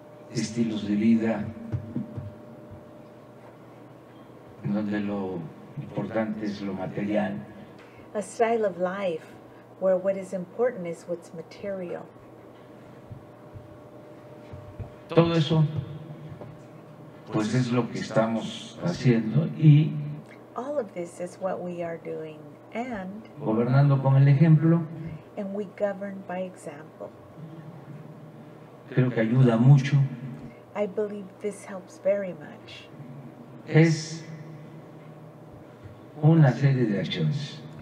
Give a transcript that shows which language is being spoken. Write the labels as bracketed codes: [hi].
[es] Estilos de vida. En donde lo importante es lo material. [en] A style of life where what is important is what's material. [es] Todo eso, pues es lo que estamos haciendo y. [en] All of this is what we are doing and. [es] Gobernando con el ejemplo. [en] And we govern by example. [es] Creo que ayuda mucho. [en] I believe this helps very much. [es] Es una serie de acciones.